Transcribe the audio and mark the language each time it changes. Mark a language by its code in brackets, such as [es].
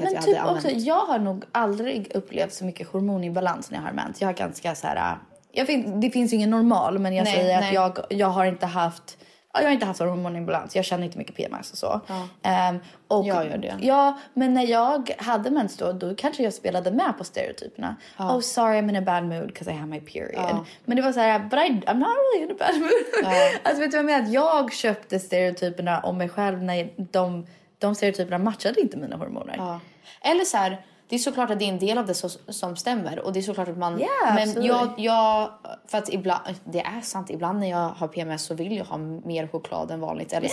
[sv] men jag typ hade använt. Men typ också, jag har nog aldrig upplevt så mycket hormon i balans när jag har mens. Jag har ganska såhär, det finns ingen normal. Men jag säger att jag har inte haft jag har inte haft hormonimbalans. Jag känner inte mycket PMS och så. Ja. Och jag gör det. Ja, men när jag hade mens då kanske jag spelade med på stereotyperna. Ja. [en] Oh, sorry, I'm in a bad mood because I have my period. [sv] Ja. Men det var så här, [en] but I'm not really in a bad mood. [sv] Ja. Alltså vet du vad jag menar? Att jag köpte stereotyperna om mig själv när de stereotyperna matchade inte mina hormoner. Ja. Eller så här, det är såklart att det är en del av det som stämmer. Och det är såklart att man... [en] Yeah, [sv] men jag för att ibland... Det är sant. Ibland när jag har PMS så vill jag ha mer choklad än vanligt. Eller yeah.